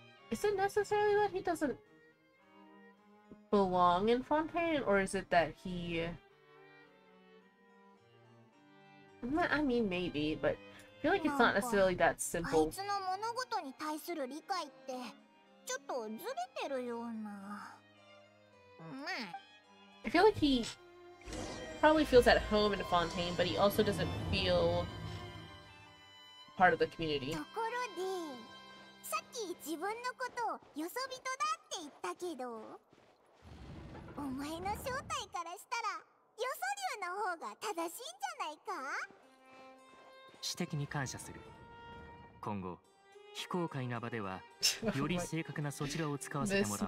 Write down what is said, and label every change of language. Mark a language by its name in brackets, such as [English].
[English] Is it necessarily that he doesn't belong in Fontaine, or is it that he... I mean, maybe, but I feel like it's not necessarily that simple. [Japanese] あいつの物事に対する理解ってちょっとずれてるような。 [English] I feel like he probably feels at home in Fontaine, but he also doesn't feel part of the community. [Japanese] ところで、さっき自分のことをよそ人だって言ったけど、お前の正体からしたらよそ流の方が正しいんじゃないか？指摘に感謝する。今後非公開な場ではより正確なそちらを使わせてもらおう。